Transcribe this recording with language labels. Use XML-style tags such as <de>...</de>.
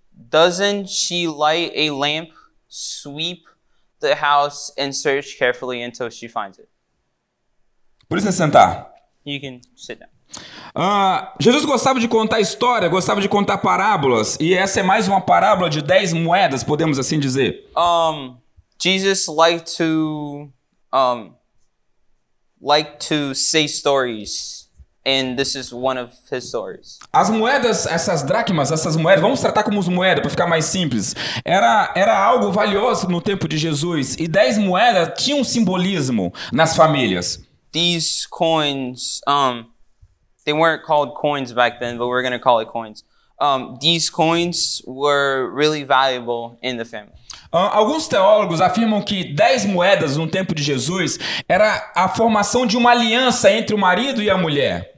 <en>Doesn't she light a lamp, sweep the house, and search carefully until she finds it?</en> <pt>Por isso é sentar.</pt> <en>You can sit down.</en> <pt>Jesus gostava de contar história, gostava de contar parábolas. E essa é mais uma parábola de 10 moedas, podemos assim dizer.</pt> <en>Jesus liked to like to say stories, and this is one of his stories.</en> <pt>As moedas, essas dracmas, essas moedas, vamos tratar como moedas para ficar mais simples. Era algo valioso no tempo de Jesus, e 10 moedas tinham um simbolismo nas famílias.</pt> <en>These coins, they weren't called coins back then, but we're going to call it coins. These coins were really valuable in the family.</en> <pt>Alguns teólogos afirmam que 10 moedas no tempo de Jesus era a formação de uma aliança entre o marido e a mulher.</pt>